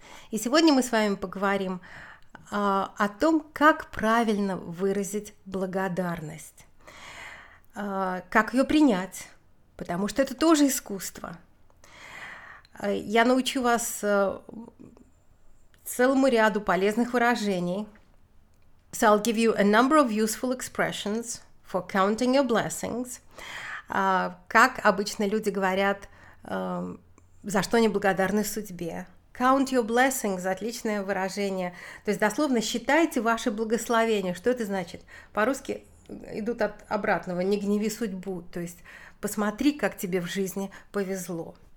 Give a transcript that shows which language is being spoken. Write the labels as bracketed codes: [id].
[ru] И сегодня мы с вами поговорим о том, как правильно выразить благодарность, как ее принять, потому что это тоже искусство. Я научу вас целому ряду полезных выражений. [en] So I'll give you a number of useful expressions for counting your blessings. [ru] Как обычно люди говорят, за что они благодарны судьбе. [en] Count your blessings [ru] – отличное выражение. То есть дословно «считайте ваши благословения». Что это значит? По-русски идут от обратного – «не гневи судьбу». То есть посмотри, как тебе в жизни повезло.